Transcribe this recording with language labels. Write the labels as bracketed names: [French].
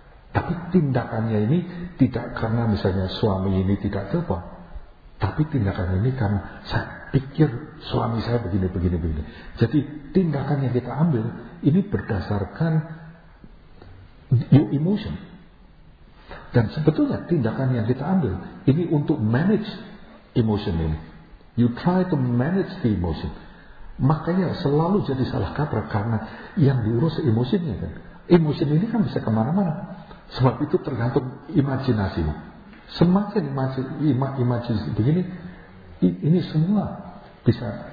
[Indonesian] Tapi tindakannya ini tidak karena misalnya suami ini tidak telepon, tapi tindakan ini karena saya pikir suami saya begini. Jadi tindakan yang kita ambil ini berdasarkan [English] your emotion. [Indonesian] Dan sebetulnya tindakan yang kita ambil ini untuk [English] manage emotion [Indonesian] ini. [English] You try to manage the emotion. [Indonesian] Makanya selalu jadi salah kaprah karena yang diurus emosinya kan. Emotion ini kan bisa kemana-mana. Sebab itu tergantung imajinasimu. Semakin imajinasi begini, ini semua bisa.